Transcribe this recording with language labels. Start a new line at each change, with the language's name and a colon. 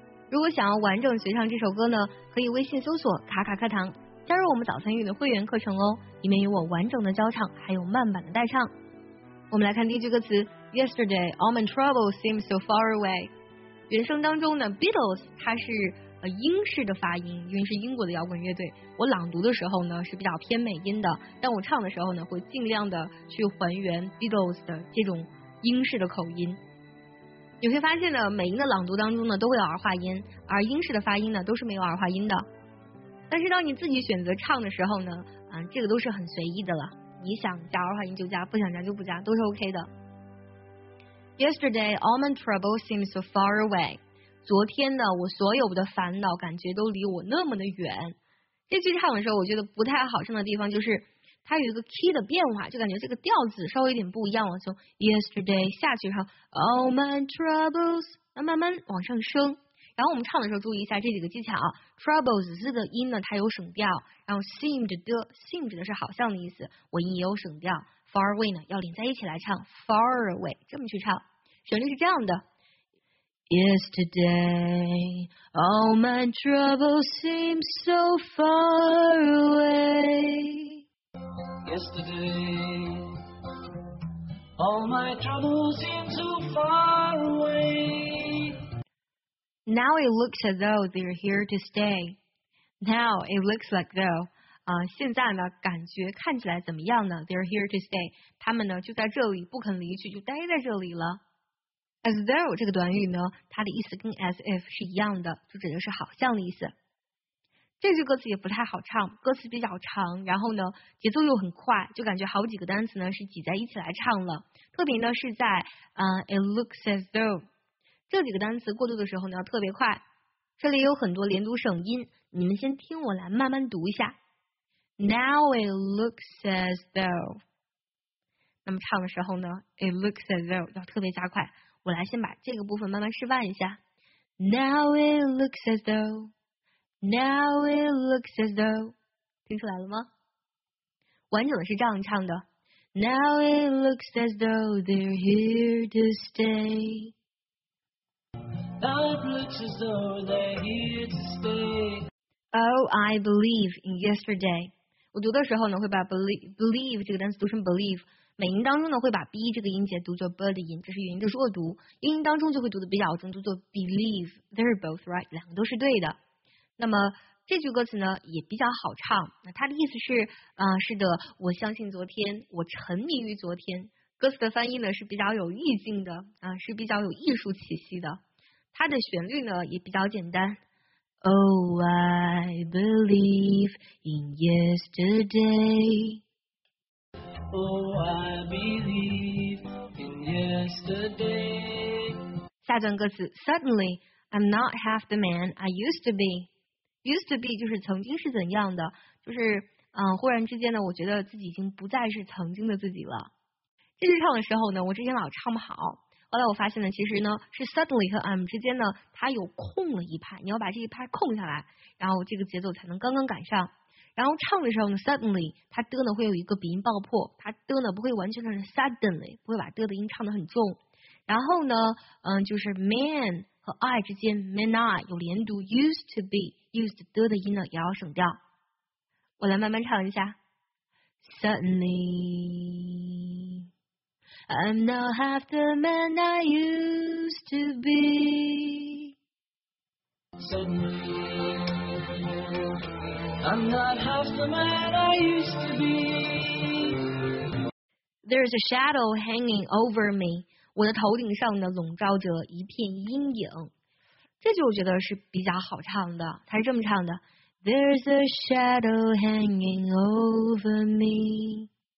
Chinese: 如果想要完整学唱这首歌呢，可以微信搜索卡卡课堂，加入我们早餐英语的会员课程哦，里面有我完整的教唱还有慢版的代唱。我们来看第一句歌词，
English: Yesterday all my troubles seem so far away。
Chinese: 原声当中呢 Beatles 它是英式的发音，因为是英国的摇滚乐队，我朗读的时候呢是比较偏美音的，但我唱的时候呢会尽量的去还原 Beatles 的这种英式的口音。你会发现呢美音的朗读当中呢都会有儿化音，而英式的发音呢都是没有儿化音的，但是当你自己选择唱的时候呢这个都是很随意的了，你想加儿化音就加，不想加就不加，都是 OK 的。
English: Yesterday all my troubles seem so far away，
Chinese: 昨天呢我所有的烦恼感觉都离我那么的远。这句唱的时候我觉得不太好唱的地方就是它有一个 key 的变化，就感觉这个调子稍微有点不一样了，从 yesterday 下去唱
English: all my troubles
Chinese: 慢慢往上升。然后我们唱的时候注意一下这几个技巧啊， troubles 这个音呢它有省调，然后 seem 指的是好像的意思，尾音也有省调， far away 呢要连在一起来唱 far away， 这么去唱，旋律是这样的。
English: Yesterday, all my troubles seem so far away. Yesterday, all my troubles seem so far away. Now it looks as though they're here to stay. Now it looks like though.
Chinese: 现在呢感觉看起来怎么样呢？
English: They're here to stay.
Chinese: 他们呢就在这里不肯离去，就待在这里了。As though 这个短语呢，它的意思跟 as if 是一样的，就指的是好像的意思。这句歌词也不太好唱，歌词比较长，然后呢节奏又很快，就感觉好几个单词呢是挤在一起来唱了。特别呢是在
English: it looks as though
Chinese: 这几个单词过渡的时候呢特别快，这里有很多连读省音，你们先听我来慢慢读一下。
English: Now it looks as though，
Chinese: 那么唱的时候呢
English: it looks as though
Chinese: 要特别加快。我来先把这个部分慢慢示范一下。
English: Now it looks as though, now it looks as though,
Chinese: 听出来了吗？完整的是这样唱的。
English: Now it looks as though they're here to stay. Now it looks as though they're here to stay. Oh, I believe in yesterday.
Chinese: 我读的时候呢会把 believe 这个单词读成 believe。美音当中呢会把 B 这个音节读作 B 的音，这是元音的弱读，英音当中就会读的比较重，读作 Believe，
English: They're both right，
Chinese: 两个都是对的。那么这句歌词呢也比较好唱，那它的意思是是的，我相信昨天，我沉迷于昨天。歌词的翻译呢是比较有意境的啊，是比较有艺术气息的。它的旋律呢也比较简单。
English: Oh, I believe in yesterday. Oh, I believe in yesterday.
Chinese: 下段歌词
English: Suddenly, I'm not half the man I used to be.
Chinese: Used to be 就是曾经是怎样的，就是忽然之间呢，我觉得自己已经不再是曾经的自己了。继续唱的时候呢，我之前老唱不好，后来我发现呢，其实呢是 suddenly 和 I'm 之间呢它有空了一拍，你要把这一拍空下来，然后这个节奏才能刚刚赶上。然后唱的时候呢 suddenly 它的呢会有一个鼻音爆破，它的呢不会完全是 suddenly， 不会把的音唱得很重。然后呢就是 man 和 I 之间 man I 有连读， used to be used 的音呢也要省掉。我来慢慢唱一下。
English: suddenlyI'm not half the man I used to be. Suddenly, I'm not half the man I used to be. There's a shadow hanging over me.
Chinese: 我的头顶上呢笼罩着一片阴影。这句我觉得是比较好唱的，它是这么唱的
English: There's a shadow hanging over me.